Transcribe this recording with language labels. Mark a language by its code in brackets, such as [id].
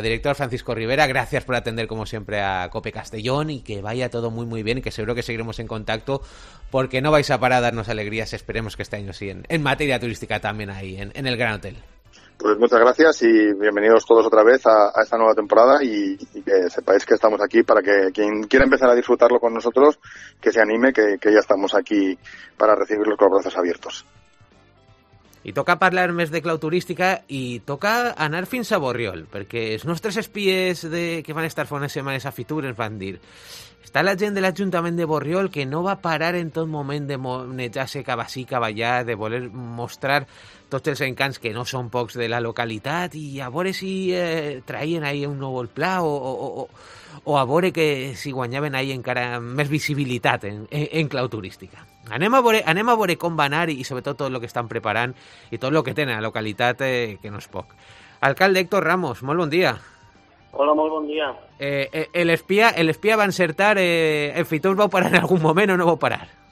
[es] Director Francisco Rivera, gracias por atender como siempre a COPE Castellón y que vaya todo muy muy bien y que seguro que seguiremos en contacto porque no vais a parar a darnos alegrías, esperemos que este año sí en materia turística también ahí en el Gran Hotel. Pues muchas gracias y bienvenidos todos otra vez a esta nueva temporada y que sepáis que estamos aquí para que quien quiera empezar a disfrutarlo con nosotros, que se anime, que ya estamos aquí para recibirlos con los brazos abiertos. [ca] Y toca hablar mes de clau turística y toca anar fins a Borriol, perquè els nostres espies de que van estar fa unes setmanes a Fitur ens van dir està la gent de l'Ajuntament de Borriol que no va parar en tot moment de monejar-se cap ací, cap allà, de voler mostrar tots els encants que no són pocs de la localitat i a veure si traien ahí un nou pla o a veure que si guanyaven ahí encara més visibilitat en clau turística. Anem a veure com va anar i sobretot tot el que estan preparant i tot el que tenen a la localitat, que no és poc. Alcalde Héctor Ramos, molt bon dia. [es] Hola, muy buen día. El espía va a insertar el Fitur, ¿va a parar en algún momento o no va a parar?